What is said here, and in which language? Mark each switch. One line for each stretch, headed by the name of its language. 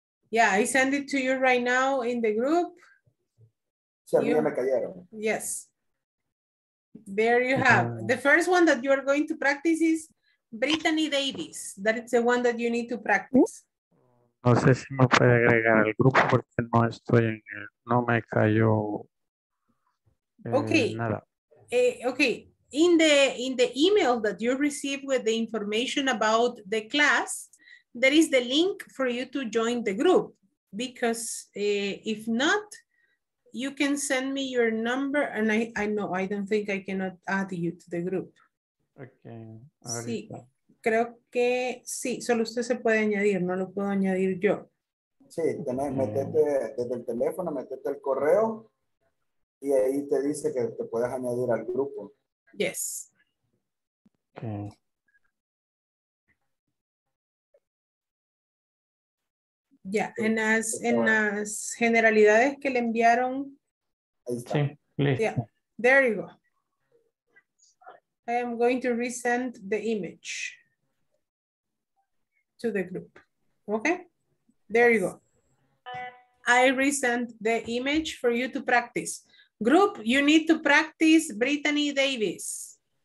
English: Yeah, I send it to you right now in the group. You, yes. There you have. The first one that you are going to practice is Brittany Davis. That is the one that you need to practice.
Spanish: No sé si me puede agregar al grupo porque no estoy en el, no me cayó nada.
English: Okay. In the email that you received with the information about the class, there is the link for you to join the group. Because if not, you can send me your number, and I know I don't think I cannot add you to the group. Okay.
Spanish: Sí, creo que sí, solo usted se puede añadir, no lo puedo añadir yo. Sí, tenés, metete desde el teléfono, metete el correo, y ahí te dice que te puedes añadir al grupo.
English: Yes. Okay.
Spanish: Ya, yeah, en las generalidades que le enviaron. Ahí está. Sí, listo.
English: Yeah, there you go. I am going to resend the image to the group. Okay, there you go. I resend the image for you to practice. Group, you need to practice Brittany Davis.